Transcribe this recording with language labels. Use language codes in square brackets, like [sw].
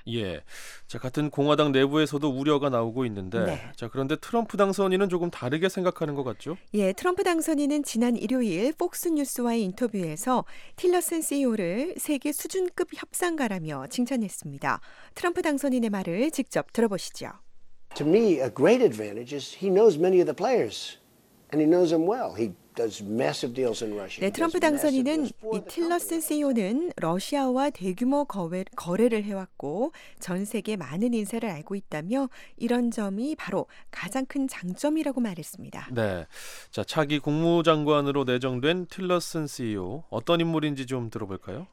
[ko] 예, 자, 같은 공화당 내부에서도 우려가 나오고 있는데 네. 자, 그런데 트럼프 당선인은 조금 다르게 생각하는 것 같죠? 예, 트럼프 당선인은 지난 일요일 폭스뉴스와의 인터뷰에서 틸러슨 CEO를 세계 수준급 협상가라며 칭찬했습니다. 트럼프 당선인의 말을 직접 들어보시죠. [en] To me, a great advantage is he knows many of the players, and he knows them well. He does massive deals in Russia. [ko] 네, 트럼프 당선인은 이 틸러슨 CEO는 러시아와 대규모 거래를 해왔고 전 세계 많은 인사를 알고 있다며 이런 점이 바로 가장 큰 장점이라고 말했습니다. 네, 자 차기 국무장관으로 내정된 틸러슨 CEO 어떤 인물인지 좀 들어볼까요?